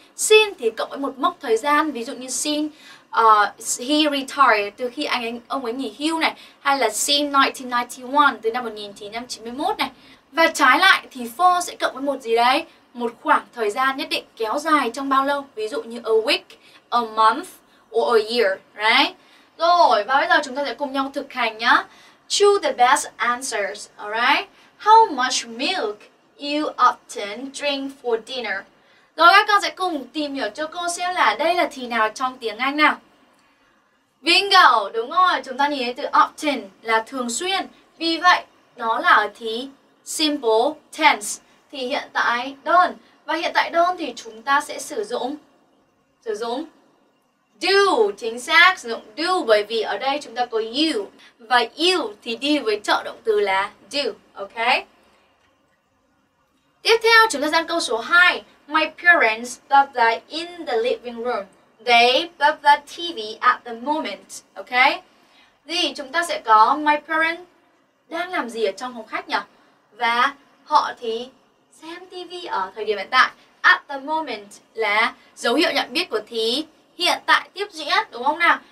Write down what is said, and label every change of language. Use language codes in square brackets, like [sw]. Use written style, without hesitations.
[vi] Since thì cộng với một mốc thời gian, ví dụ như [en] since he retired, [vi] từ khi ông ấy nghỉ hưu này, hay là since 1991, từ năm 1991 này. Và trái lại thì for sẽ cộng với một gì đấy, một khoảng thời gian nhất định, kéo dài trong bao lâu, ví dụ như [en] a week, a month or a year, right? [vi] Rồi, và bây giờ chúng ta sẽ cùng nhau thực hành nhá. [en] Choose the best answers, alright? How much milk you often drink for dinner? [vi] Rồi các con sẽ cùng tìm hiểu cho cô xem là đây là thì nào trong tiếng Anh nào. Bingo, đúng rồi, chúng ta nhìn thấy từ often là thường xuyên. Vì vậy, nó là thì simple tense, thì hiện tại đơn. Và hiện tại đơn thì chúng ta sẽ sử dụng do, chính xác, sử dụng do, bởi vì ở đây chúng ta có you. Và you thì đi với trợ động từ là do. Ok. Tiếp theo chúng ta sang câu số 2. [en] My parents blah blah in the living room. They blah blah TV at the moment. Ok. [vi] Thì chúng ta sẽ có my parents đang làm gì ở trong phòng khách nhỉ? Và họ thì xem TV ở thời điểm hiện tại. [en] At the moment [vi] là dấu hiệu nhận biết của thì hiện tại tiếp diễn, đúng không nào?